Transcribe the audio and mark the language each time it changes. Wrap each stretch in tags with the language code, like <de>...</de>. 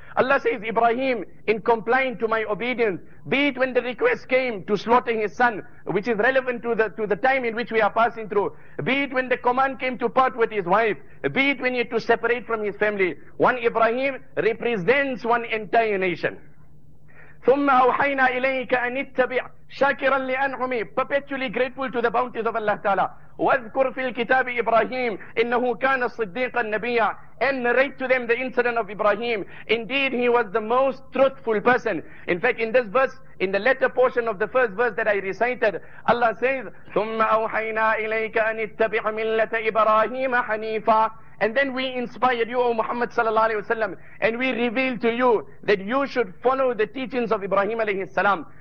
<en>Allah says, Ibrahim, in complying to my obedience, be it when the request came to slaughter his son, which is relevant to the time in which we are passing through, be it when the command came to part with his wife, be it when he had to separate from his family, one Ibrahim represents one entire nation.</en> <ar>ثم أوحينا إليك أن اتبع شاكرا لأنعمي,</ar> <en>perpetually grateful to the bounties of Allah Ta'ala.</en> <ar>واذكر في الكتاب إبراهيم إنه كان صديقا نبيا.</ar> <en>And narrate to them the incident of Ibrahim. Indeed, he was the most truthful person. In fact, in this verse, in the latter portion of the first verse that I recited, Allah says,</en> <ar>ثم أوحينا إليك أن اتبع ملة إبراهيم حنيفا.</ar> <en>And then we inspired you, O Muhammad sallallahu alayhi wa sallam, and we revealed to you that you should follow the teachings of Ibrahim alayhi salam.</en>